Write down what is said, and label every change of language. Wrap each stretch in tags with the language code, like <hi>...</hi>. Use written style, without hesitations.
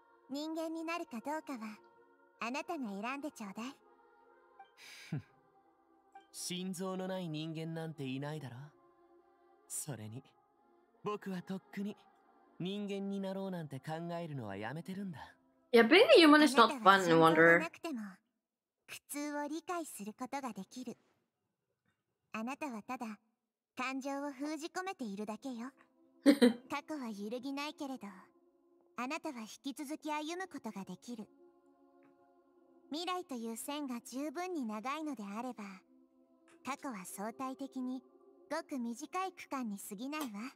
<ja>人間になるかどうかはあなたが選んでちょうだい。心臓のない人間なんていないだろ。それに僕はとっくに人間になろうなんて考えるのはやめてるんだ。</ja> <en>いや、being a human is not fun, I wonder.</en> <ja>苦痛を理解することができる。あなたはただ感情を封じ込めているだけよ。過去は揺るぎないけれど、あなたは引き続き歩むことができる。未来という線が十分に長いのであれば、過去は相対的にごく短い区間に過ぎないわ。</ja>